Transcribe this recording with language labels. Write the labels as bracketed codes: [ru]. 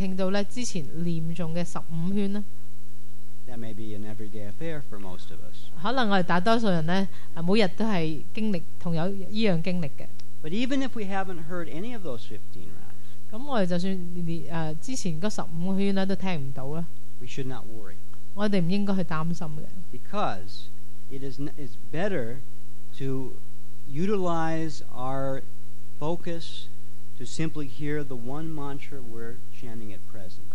[zh] 可能在一个最差的情况之下，我们其实是没有聆听到之前念诵的15圈。 [en] That may be an everyday affair for most of us. [zh] 可能我们大多数人每天都是同样经历的。 [en] But even if we haven't heard any of those 15 rounds, [zh] 我们就算之前那15圈都听不到。 [en] We should not worry. [zh] 我们不应该去担心的。 [en] Because it is better to utilize our focus to simply hear the one mantra we're chanting at present.